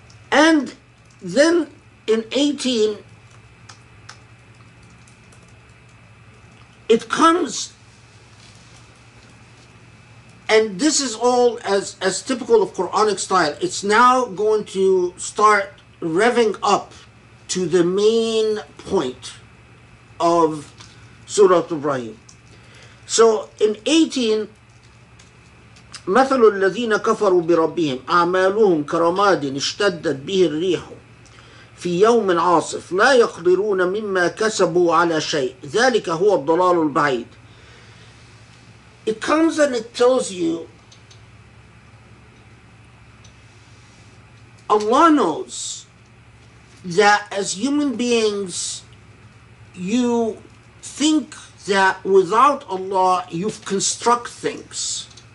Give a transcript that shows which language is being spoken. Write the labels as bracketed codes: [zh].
[en] And then in 18, it comes, and this is all as typical of Quranic style, it's now going to start revving up to the main point of Surah Ibrahim. So in 18, [ar] مَثَلُ الَّذِينَ كَفَرُوا بِرَبِّهِمْ أَعْمَالُهُمْ كَرَمَادٍ اشْتَدَّتْ بِهِ الرِّيحُ في يوم عاصف لا يقدرون مما كسبوا على شيء ذلك هو الضلال البعيد. [en] It comes and it tells you Allah knows that as human beings you think that without Allah you construct things.